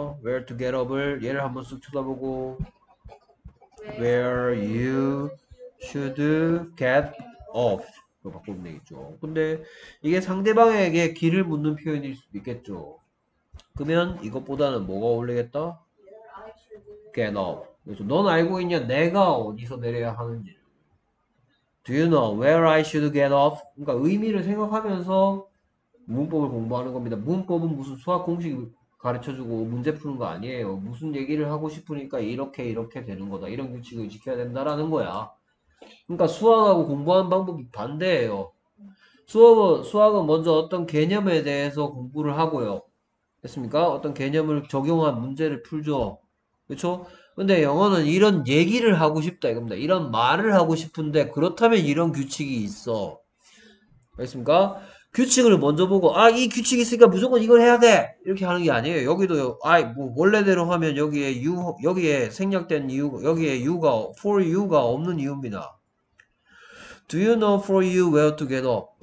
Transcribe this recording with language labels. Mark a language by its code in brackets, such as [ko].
[en] Where to get up을 [ko] 얘를 한번 쓱 쳐다보고 [en] Where you should get off [ko] 로 바꾸면 되겠죠. 근데 이게 상대방에게 길을 묻는 표현일 수도 있겠죠. 그러면 이것보다는 뭐가 어울리겠다? [en] Get up. [ko] 그래서 넌 알고 있냐? 내가 어디서 내려야 하는지. [en] Do you know where I should get off? [ko] 그러니까 의미를 생각하면서 문법을 공부하는 겁니다. 문법은 무슨 수학 공식을 가르쳐주고 문제 푸는 거 아니에요. 무슨 얘기를 하고 싶으니까 이렇게 이렇게 되는 거다. 이런 규칙을 지켜야 된다라는 거야. 그러니까 수학하고 공부하는 방법이 반대예요. 수학은 먼저 어떤 개념에 대해서 공부를 하고요. 됐습니까? 어떤 개념을 적용한 문제를 풀죠. 그렇죠? 근데 영어는 이런 얘기를 하고 싶다 이겁니다. 이런 말을 하고 싶은데 그렇다면 이런 규칙이 있어. 알겠습니까? 규칙을 먼저 보고 아이 규칙이 있으니까 무조건 이걸 해야 돼 이렇게 하는 게 아니에요. 여기도 아뭐 원래대로 하면 여기에 생략된 이유 여기에 유가 [en] for you [ko] 가 없는 이유입니다. [en] Do you know for you where to get up?